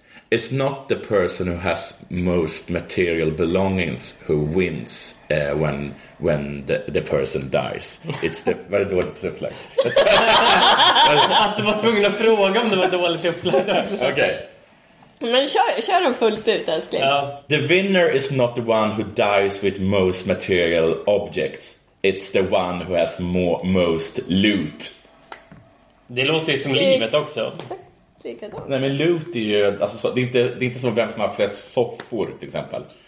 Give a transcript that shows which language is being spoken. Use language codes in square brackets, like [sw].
[en] It's not the person who has most material belongings who wins when the person dies. It's the very [sv] dåligt upplagt. Att du var tvungen att fråga om det var dåligt upplagt. Okej. Okay. Men kör den fullt ut, älskling. [en] The winner is not the one who dies with most material objects. It's the one who has most loot. [sv] Det låter ju som livet också. Nej, men loot är ju alltså, så, det är inte som vem som har flest soffor till exempel.